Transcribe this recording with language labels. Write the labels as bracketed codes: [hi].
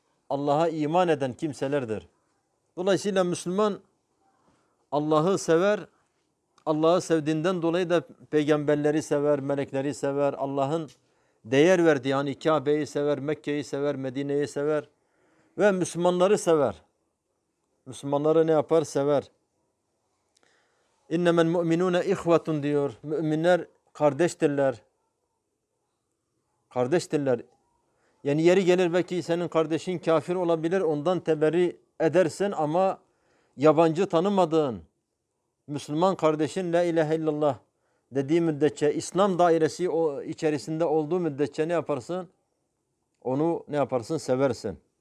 [tr] Allah'a iman eden kimselerdir. Dolayısıyla Müslüman Allah'ı sever, Allah'ı sevdiğinden dolayı da peygamberleri sever, melekleri sever, Allah'ın değer verdiği yani Kabe'yi sever, Mekke'yi sever, Medine'yi sever ve Müslümanları sever. Müslümanları ne yapar? Sever. [ar] اِنَّمَا الْمُؤْمِنُونَ اِخْوَةٌ [tr] diyor. Müminler kardeştirler. Kardeştirler. Yani yeri gelir belki senin kardeşin kafir olabilir, ondan teberri edersin ama yabancı tanımadığın Müslüman kardeşin la ilahe illallah dediği müddetçe, İslam dairesi içerisinde olduğu müddetçe ne yaparsın? Onu ne yaparsın? Seversin.